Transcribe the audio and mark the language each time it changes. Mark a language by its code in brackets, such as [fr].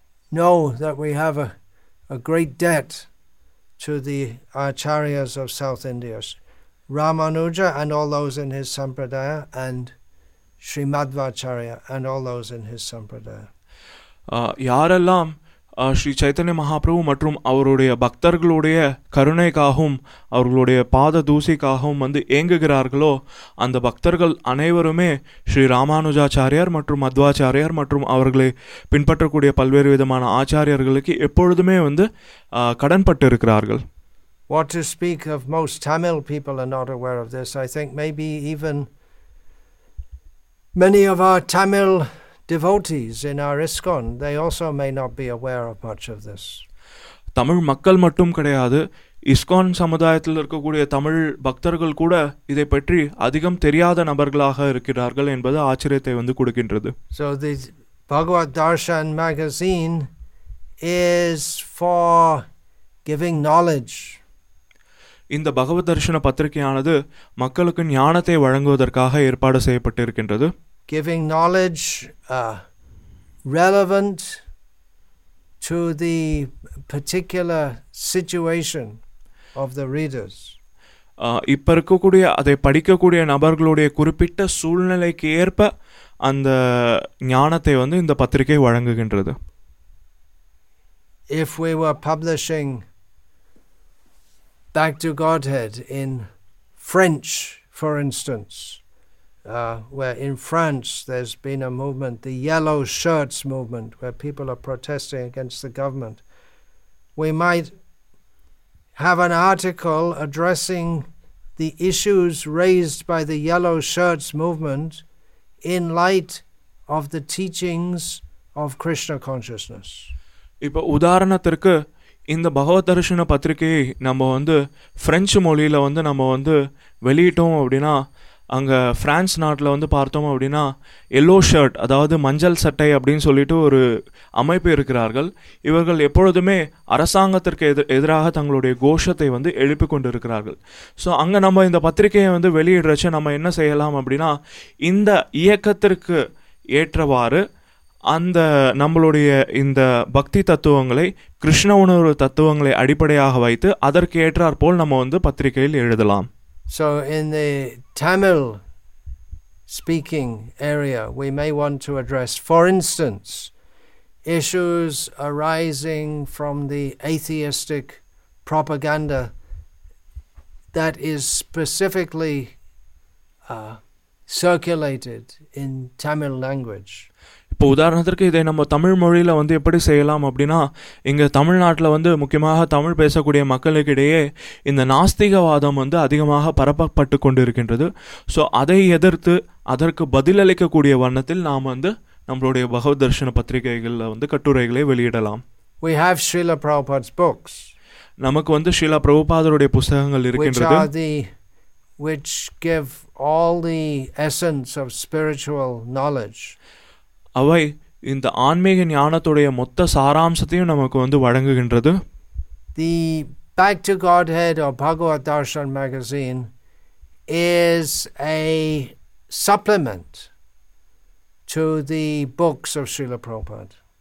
[en] know that we have a great debt to the Acharyas of South India, Ramanuja and all those in his Sampradaya, and Sri Madhvacharya and all those in his Sampradaya. [ta] Yarallam Sri Chaitanya Mahaprabhu மற்றும் அவருடைய பக்தர்களுடைய கருணைக்காகவும் அவர்களுடைய பாத தூசிக்காகவும் வந்து ஏங்குகிறார்களோ அந்த பக்தர்கள் அனைவருமே ஸ்ரீ ராமானுஜாச்சாரியார் மற்றும் மத்வாச்சாரியார் மற்றும் அவர்களை பின்பற்றக்கூடிய பல்வேறு விதமான ஆச்சாரியர்களுக்கு எப்பொழுதுமே வந்து கடன்பட்டு இருக்கிறார்கள். [en] What to speak of most Tamil people are not aware of this. I think maybe even many of our Tamil devotees in our ISKCON, they also may not be aware of much of this. [ta] Tamil makkal mattum kadaiyadu. ISKCON சமுதாயத்தில் இருக்கக்கூடிய தமிழ் பக்தர்கள் கூட இதை பற்றி அதிகம் தெரியாத நபர்களாக இருக்கிறார்கள் என்பது ஆச்சரியத்தை வந்து கொடுக்கின்றது. [en] So the Bhagavad Darshan magazine is for giving knowledge. [ta] இந்த பகவத் தர்ஷன பத்திரிகையானது மக்களுக்கு ஞானத்தை வழங்குவதற்காக ஏற்பாடு செய்யப்பட்டிருக்கின்றது. [en] Giving knowledge relevant to the particular situation of the readers. [ta] இப்ப இருக்கக்கூடிய அதை படிக்கக்கூடிய நபர்களுடைய குறிப்பிட்ட சூழ்நிலைக்கு ஏற்ப அந்த ஞானத்தை வந்து இந்த பத்திரிகை வழங்குகின்றது. [en] If we were publishing Back to Godhead in French, for instance, where in France there's been a movement, the Yellow Shirts movement, where people are protesting against the government, we might have an article addressing the issues raised by the Yellow Shirts movement in light of the teachings of Krishna consciousness. [ta] இப்ப உதாரணத்திற்கு இந்த பகவத் தரிசன பத்திரிகையை நம்ம வந்து French மொழியில் வந்து நம்ம வந்து வெளியிட்டோம் அப்படின்னா, அங்கே ஃப்ரான்ஸ் நாட்டில் வந்து பார்த்தோம் அப்படின்னா, எல்லோ ஷர்ட் அதாவது மஞ்சள் சட்டை அப்படின்னு சொல்லிட்டு ஒரு அமைப்பு இருக்கிறார்கள். இவர்கள் எப்பொழுதுமே அரசாங்கத்திற்கு எதிராக தங்களுடைய கோஷத்தை வந்து எழுப்பி கொண்டு இருக்கிறார்கள். ஸோ அங்கே நம்ம இந்த பத்திரிகையை வந்து வெளியிடுறச்சு நம்ம என்ன செய்யலாம் அப்படின்னா, இந்த இயக்கத்திற்கு ஏற்றவாறு அந்த நம்மளுடைய இந்த பக்தி தத்துவங்களை, கிருஷ்ண உணர்வு தத்துவங்களை அடிப்படையாக வைத்து அதற்கு ஏற்றாற்போல் நம்ம வந்து பத்திரிகையில் எழுதலாம். [en] So in the Tamil speaking area, we may want to address, for instance, issues arising from the atheistic propaganda that is specifically circulated in Tamil language. [ta] இப்போ உதாரணத்திற்கு இதை நம்ம தமிழ் மொழியில் வந்து எப்படி செய்யலாம் அப்படின்னா, இங்கே தமிழ்நாட்டில் வந்து முக்கியமாக தமிழ் பேசக்கூடிய மக்களுக்கிடையே இந்த நாஸ்திகவாதம் வந்து அதிகமாக பரப்பப்பட்டு கொண்டு இருக்கின்றது. ஸோ அதை எதிர்த்து அதற்கு பதிலளிக்கக்கூடிய வண்ணத்தில் நாம் வந்து நம்மளுடைய பகவத் தர்ஷன பத்திரிகைகளில் வந்து கட்டுரைகளை வெளியிடலாம். [en] We have Srila Prabhupada's books. [ta] நமக்கு வந்து ஸ்ரீலா பிரபுபாதருடைய புஸ்தகங்கள் இருக்கின்றது. [en] Which give all the essence of spiritual knowledge. [ta] அவை இந்த ஆன்மீக ஞானத்துடைய மொத்த சாராம்சத்தையும் நமக்கு வந்து வழங்குகின்றது. [en] The Back to Godhead or Bhagavad Darshan magazine is a supplement to the books of Srila Prabhupada.